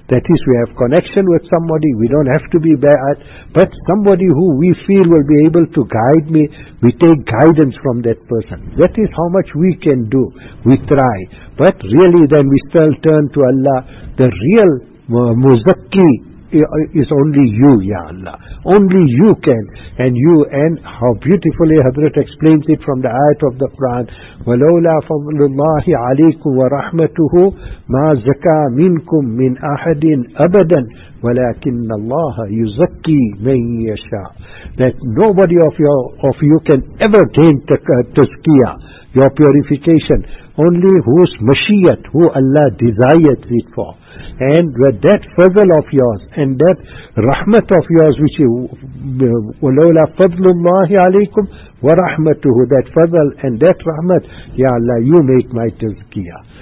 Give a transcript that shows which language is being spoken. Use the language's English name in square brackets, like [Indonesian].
[English] That is, we have connection with somebody, we don't have to be bad, but somebody who we feel will be able to guide me, we take guidance from that person. That is how much we can do. We try. But really then we still turn to Allah. The real muzakki is only you, Ya Allah. Only you can. And you, and how beautifully Hadrat explains it from the ayat of the Quran, [Arabic] وَلَوْلَا فَضْلُ اللَّهِ عَلَيْكُمْ وَرَحْمَتُهُ مَا زَكَى مِنْكُمْ مِنْ أَحَدٍ أَبَدًا وَلَكِنَّ اللَّهَ يُزَكِّي مَنْ يَشَاءُ. [English] That nobody of you can ever gain tazkiyah, your purification. Only whose mashiyat, who Allah desires it for. And with that fadl of yours, and that rahmat of yours, which is [Arabic] وَلَوْلَا فَضْلُ اللَّهِ عَلَيْكُمْ وَرَحْمَتُهُ, [English] that fadl and that rahmat, Ya Allah, you make my tazkiyah.